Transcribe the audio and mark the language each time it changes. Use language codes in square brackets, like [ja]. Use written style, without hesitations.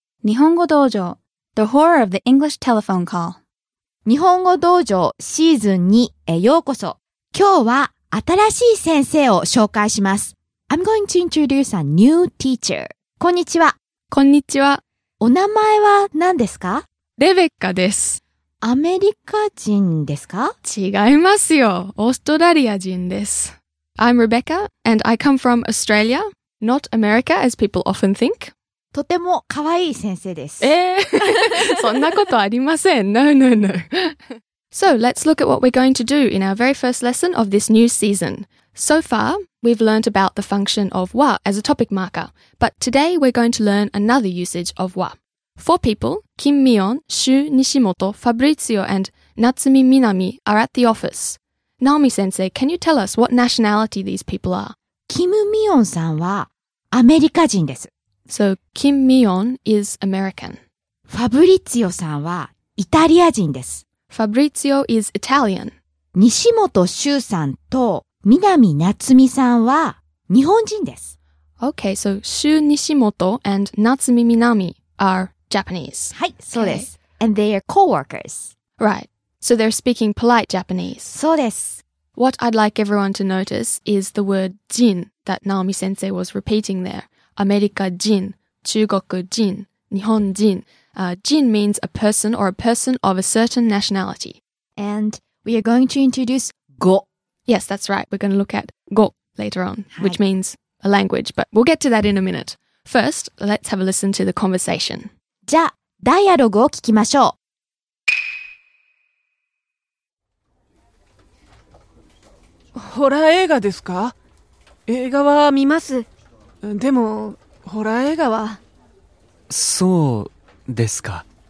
[en] 日本語道場 The Horror of the English Telephone Call. [ja] 日本語道場シーズン2へようこそ。今日は新しい先生を紹介します。 [en] I'm going to introduce a new teacher. [ja] こんにちは。こんにちは。お名前は何ですか？レベッカです。アメリカ人ですか？違いますよ。オーストラリア人です。 [en] I'm Rebecca and I come from Australia. Not America, as people often think. [ja] とても可愛い先生です。そんなことありません。 [en] No, no, no. So, let's look at what we're going to do in our very first lesson of this new season. So far, we've learned about the function of wa as a topic marker. But today, we're going to learn another usage of wa. Four people, Kim Mion, Shu Nishimoto, Fabrizio, and Natsumi Minami are at the office. Naomi sensei, can you tell us what nationality these people are? [ja] キム・ミヨンさんはアメリカ人です。 [en] So, Kim Mion is American. [ja] ファブリツィオさんはイタリア人です。 [en] ファブリツィオ is Italian. [ja] 西本周さんと南夏美さんは日本人です。 [en] Okay, so, 周西本 and 夏美南 are Japanese. [ja] はい、そうです。Okay. And they are co-workers. [en] Right. So, they're speaking polite Japanese. [ja] そうです。 [en] What I'd like everyone to notice is the word jin that Naomi sensei was repeating there. [ja] America jin, 中国人、日本人. [en] Jin means a person or a person of a certain nationality. And we are going to introduce go. Yes, that's right. We're going to look at go later on, which means a language, but we'll get to that in a minute. First, let's have a listen to the conversation. [ja] じゃあ、ダイアログを聞きましょう。ホラー映画ですか？映画は見ます。でも、ホラー映画は。そうですか。